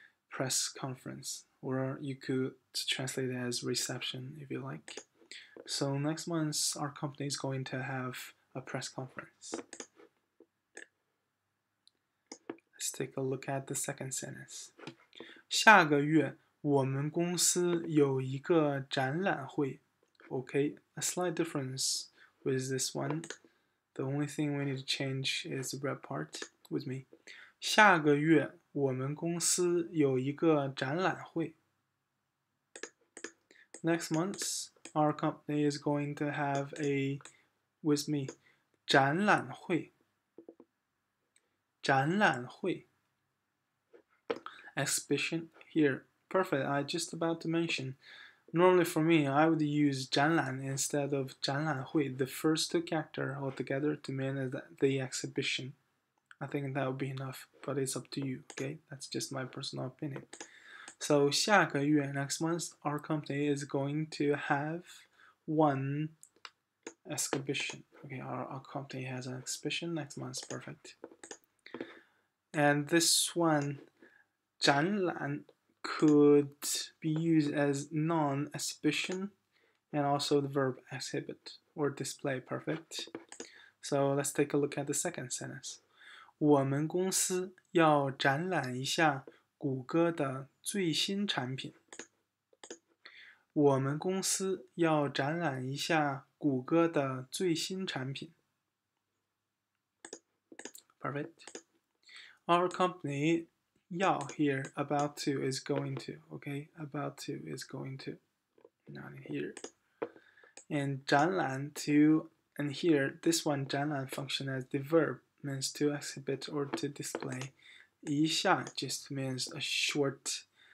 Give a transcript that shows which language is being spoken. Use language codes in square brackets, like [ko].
[en] Press conference, or you could translate it as reception if you like. So next month, our company is going to have a press conference. Let's take a look at the second sentence. [zh] 下个月我们公司有一个展览会。 [en] Okay, a slight difference with this one. The only thing we need to change is the red part with me. [zh] 下个月我们公司有一个展览会。 [en] Next month, our company is going to have a, with me, [zh] 展览会。展览会。 [en] Exhibition here. Perfect, I just about to mention. Normally for me, I would use 展览 instead of 展览会, the first two characters altogether to mean the exhibition. I think that would be enough, but it's up to you, okay? That's just my personal opinion. So, [zh] 下个月, [en] next month, our company is going to have one exhibition. Okay, our company has an exhibition next month, perfect. And this one, [zh] 展览 [en] could be used as non-exhibition and also the verb exhibit or display, perfect. So, let's take a look at the second sentence. [zh] 我们公司要展览一下谷歌的最新产品。我们公司要展览一下谷歌的最新产品。 [en] Perfect. Our company 要 here, about to is going to, okay? About to is going to, not here. And 展览 to, and here, this one 展览 function as the verb. Means to exhibit or to display. 一下 just means a short